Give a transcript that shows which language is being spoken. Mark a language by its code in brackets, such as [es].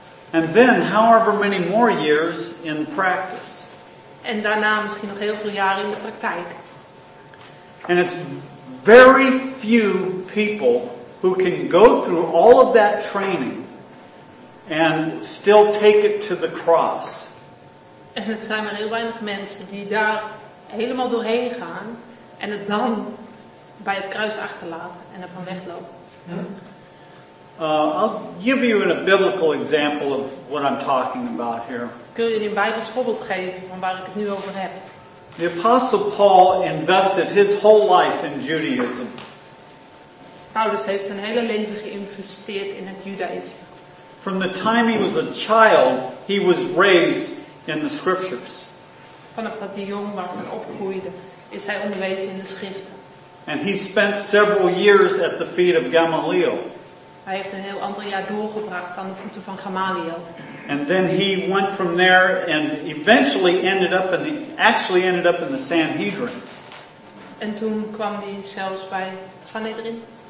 [en] And then however many more years in practice. [nl] En daarna misschien nog heel veel jaren in de praktijk. [en] And it's very few people who can go through all of that training and still take it to the cross. [nl] En het zijn maar heel weinig mensen die daar helemaal doorheen gaan en het dan bij het kruis achterlaten en er van weglopen. [en] I'll give you a biblical example of what I'm talking about here. [nl] Kun je een Bijbels voorbeeld geven van waar ik het nu over heb? [en] The Apostle Paul invested his whole life in Judaism. [nl] Paulus heeft zijn hele leven geïnvesteerd in het Judaïsme. [en] From the time he was a child, he was raised in the scriptures. [nl] Vanaf dat hij jong was en opgroeide, is hij onderwezen in de schriften. [en] And he spent several years at the feet of Gamaliel. [nl] Hij heeft een heel aantal jaar doorgebracht aan de voeten van Gamaliel. [en] And then he went from there and eventually ended up in the Sanhedrin. [nl] En toen kwam hij zelfs bij Sanhedrin.